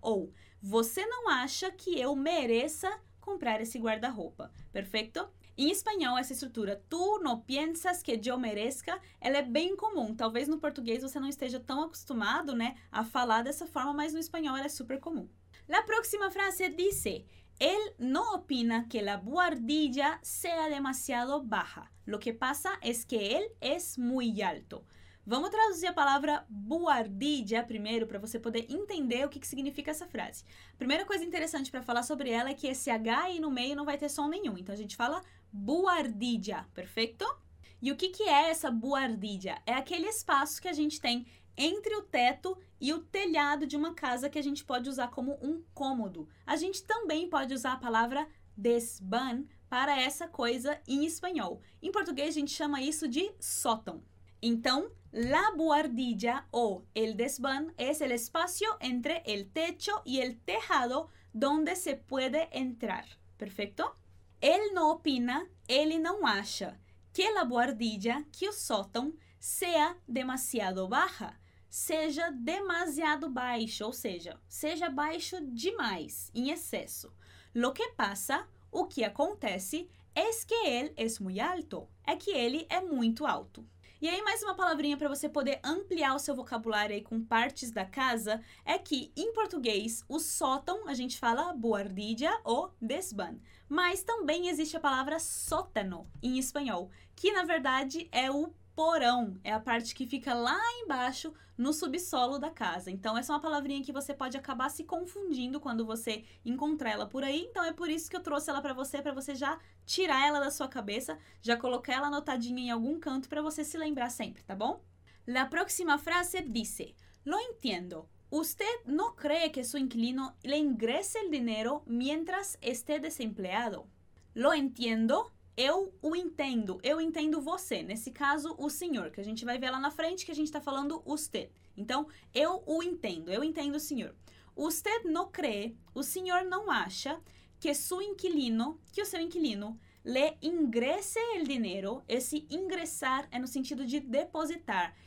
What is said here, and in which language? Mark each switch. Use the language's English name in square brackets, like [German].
[Portuguese] Ou você não acha que eu mereça comprar esse guarda-roupa, perfeito? Em espanhol, essa estrutura, [Spanish] tu no piensas que yo merezca, [Portuguese] ela é bem comum. Talvez no português você não esteja tão acostumado, né, a falar dessa forma, mas no espanhol ela é super comum. [Spanish] La próxima frase dice, él no opina que la buhardilla sea demasiado baja. Lo que pasa es que él es muy alto. [Portuguese] Vamos traduzir a palavra buhardilla primeiro para você poder entender o que, que significa essa frase. Primeira coisa interessante para falar sobre ela é que esse H aí no meio não vai ter som nenhum. Então a gente fala buhardilla, perfeito? E o que, que é essa buhardilla? É aquele espaço que a gente tem entre o teto e o telhado de uma casa que a gente pode usar como um cômodo. A gente também pode usar a palavra desván para essa coisa em espanhol. Em português a gente chama isso de sótão. [Spanish] Então, la buhardilla ou el desván es el espacio entre el techo y el tejado donde se puede entrar. [Portuguese] Perfeito? [Spanish] Él no opina, [Portuguese] ele não acha que [Spanish] la buhardilla, [Portuguese] que o sótão, [Spanish] sea demasiado baja, [Portuguese] seja demasiado baixo, ou seja, seja baixo demais, em excesso. [Spanish] Lo que pasa, [Portuguese] o que acontece, es que él es muy alto, é que ele é muito alto. E aí, mais uma palavrinha para você poder ampliar o seu vocabulário aí com partes da casa, é que, em português, o sótão, a gente fala buhardilla ou desván. Mas também existe a palavra sótano, em espanhol, que, na verdade, é o porão. É a parte que fica lá embaixo, no subsolo da casa. Então, essa é uma palavrinha que você pode acabar se confundindo quando você encontrar ela por aí. Então, é por isso que eu trouxe ela para você já tirar ela da sua cabeça, já colocar ela anotadinha em algum canto para você se lembrar sempre, tá bom? [Spanish] La próxima frase dice, lo entiendo, usted no cree que su inquilino le ingrese el dinero mientras esté desempleado. Lo entiendo, [Portuguese] eu o entendo, eu entendo você, nesse caso, o senhor, que a gente vai ver lá na frente que a gente está falando usted. Então, eu entendo o senhor. [Spanish] Usted no cree, [Portuguese] o senhor não acha que o seu inquilino [Spanish] le ingrese el dinero, [Portuguese] esse ingressar é no sentido de depositar.